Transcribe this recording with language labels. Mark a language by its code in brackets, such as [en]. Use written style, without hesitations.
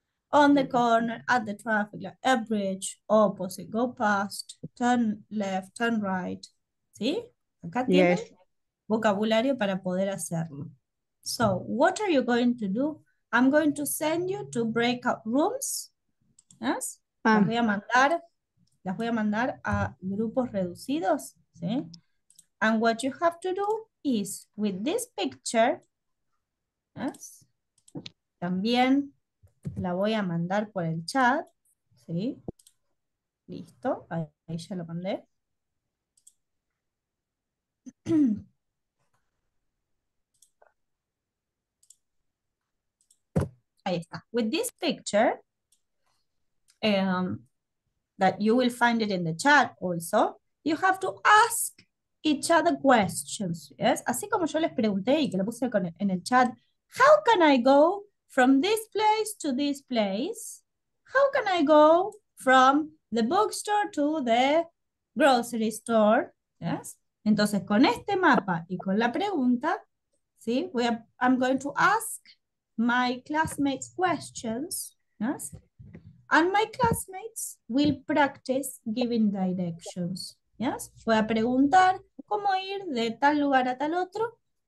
[en] On the corner, at the traffic light, a bridge, opposite, go past, turn left, turn right. ¿Sí? [es] Acá tiene vocabulario para poder hacerlo. [en] So, what are you going to do? I'm going to send you to breakout rooms. Yes? Ah. [es] Las voy a mandar a grupos reducidos, ¿sí? [en] And what you have to do is, with this picture, yes, [es] también la voy a mandar por el chat, ¿sí? Listo, ahí ya lo mandé. Ahí está. [en] With this picture, that you will find it in the chat also, you have to ask each other questions. Yes? [es] Así como yo les pregunté y que lo puse en el chat, [en] how can I go from this place to this place? How can I go from the bookstore to the grocery store? Yes? [es] Entonces, con este mapa y con la pregunta, ¿sí? [en] I'm going to ask my classmates questions. Yes? And my classmates will practice giving directions. Yes? [es] Voy a preguntar cómo ir de tal lugar a tal otro.